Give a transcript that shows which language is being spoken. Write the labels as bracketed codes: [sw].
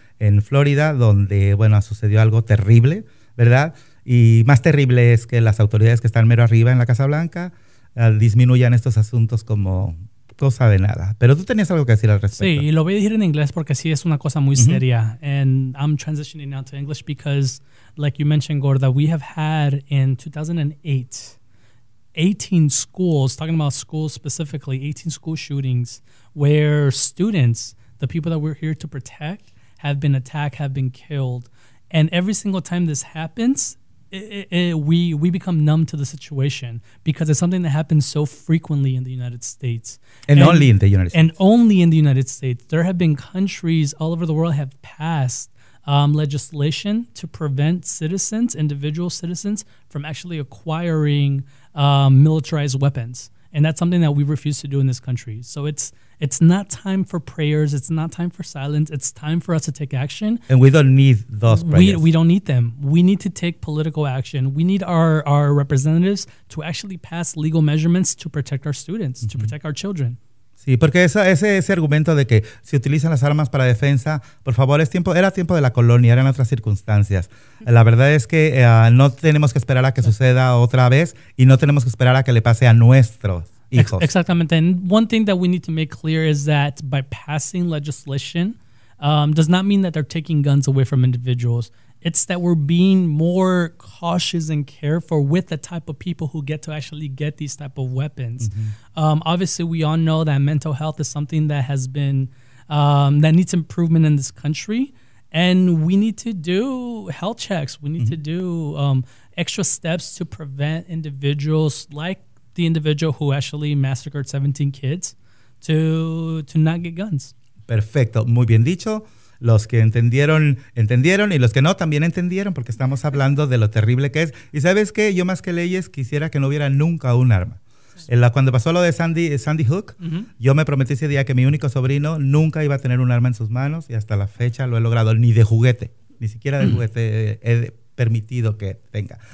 [es] en Florida, donde, bueno, sucedió algo terrible, ¿verdad? Y más terrible es que las autoridades que están mero arriba en la Casa Blanca disminuyan estos asuntos como cosa de nada. Pero tú tenías algo que decir al respecto. Sí, y lo voy a decir en inglés porque sí es una cosa muy seria. [en] And I'm transitioning now to English because, like you mentioned, Gorda, we have had in 2008, 18 schools, talking about schools specifically, 18 school shootings where students, the people that we're here to protect, have been attacked, have been killed. And every single time this happens, we become numb to the situation because it's something that happens so frequently in the United States. And only in the United States. There have been countries all over the world have passed legislation to prevent citizens, individual citizens, from actually acquiring militarized weapons. And that's something that we refuse to do in this country. So it's not time for prayers. It's not time for silence. It's time for us to take action. And we don't need those prayers. We don't need them. We need to take political action. We need our representatives to actually pass legal measurements to protect our students, to protect our children. [es] Sí, porque ese argumento de que se utilizan las armas para defensa, por favor, era tiempo de la colonia, eran otras circunstancias. La verdad es que no tenemos que esperar a que suceda otra vez y no tenemos que esperar a que le pase a nuestros hijos. Exactamente. [en] And one thing that we need to make clear is that by passing legislation does not mean that they're taking guns away from individuals. It's that we're being more cautious and careful with the type of people who get to actually get these type of weapons. Mm-hmm. Obviously, we all know that mental health is something that has been that needs improvement in this country. And we need to do health checks. We need to do extra steps to prevent individuals like the individual who actually massacred 17 kids to not get guns. [es] Perfecto. Muy bien dicho. Los que entendieron, entendieron, y los que no, también entendieron, porque estamos hablando de lo terrible que es. Y ¿sabes qué? Yo más que leyes quisiera que no hubiera nunca un arma. Cuando pasó lo de Sandy Hook, yo me prometí ese día que mi único sobrino nunca iba a tener un arma en sus manos, y hasta la fecha lo he logrado, ni de juguete, ni siquiera de juguete he permitido que tenga.